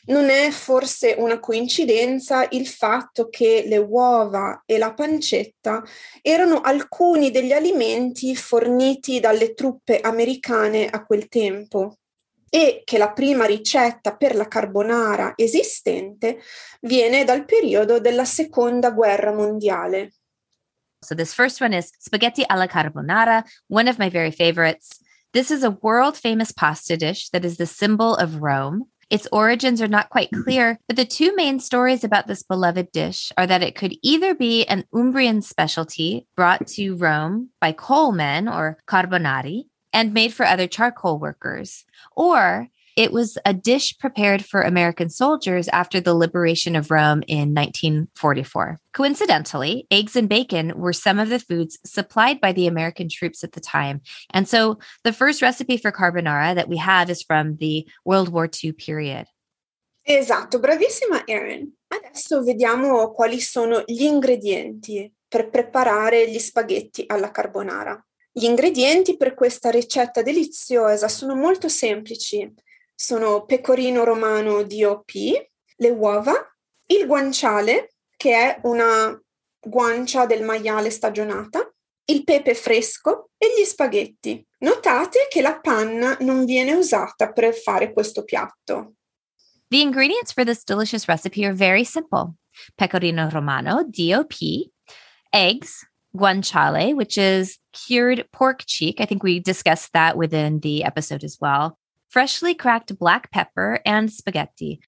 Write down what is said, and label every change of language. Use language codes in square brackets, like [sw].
[it] Non è forse una coincidenza il fatto che le uova e la pancetta erano alcuni degli alimenti forniti dalle truppe americane a quel tempo? E che la prima ricetta per la carbonara esistente viene dal periodo della Seconda Guerra Mondiale. [en] So this first one is spaghetti alla carbonara, one of my very favorites. This is a world famous pasta dish that is the symbol of Rome. Its origins are not quite clear, but the two main stories about this beloved dish are that it could either be an Umbrian specialty brought to Rome by coal men or carbonari, and made for other charcoal workers, or it was a dish prepared for American soldiers after the liberation of Rome in 1944. Coincidentally, eggs and bacon were some of the foods supplied by the American troops at the time. And so the first recipe for carbonara that we have is from the World War II period. [it] Esatto, bravissima Erin. Adesso vediamo quali sono gli ingredienti per preparare gli spaghetti alla carbonara. Gli ingredienti per questa ricetta deliziosa sono molto semplici. Sono pecorino romano DOP, le uova, il guanciale, che è una guancia del maiale stagionata, il pepe fresco e gli spaghetti. Notate che la panna non viene usata per fare questo piatto. [en] The ingredients for this delicious recipe are very simple. Pecorino romano, DOP, eggs, guanciale, which is cured pork cheek. I think we discussed that within the episode as well. Freshly cracked black pepper and spaghetti.